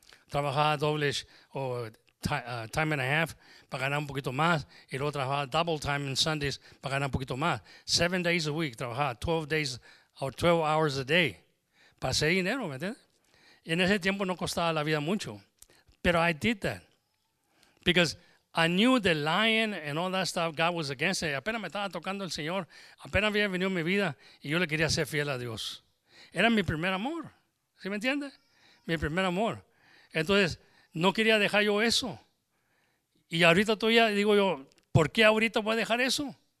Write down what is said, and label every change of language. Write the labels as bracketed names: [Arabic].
[Spanish] Trabajaba doble o [English] time and a half [Spanish] para ganar un poquito más. Y luego trabajaba [English] double time en Sundays [Spanish] para ganar un poquito más. [English] 7 days a week, [Spanish] trabajaba [English] 12 days or 12 hours a day. [Spanish] Pasé dinero, ¿me entiendes? Y en ese tiempo no costaba la vida mucho. [English] Pero I did that. Because I knew the lying and all that stuff, God was against it. [Spanish] Apenas me estaba tocando el Señor, apenas había venido mi vida y yo le quería ser fiel a Dios. Era mi primer amor, ¿sí me entiende? Mi primer amor. Entonces, no quería dejar yo eso. Y ahorita todavía digo yo, ¿por qué ahorita voy a dejar eso?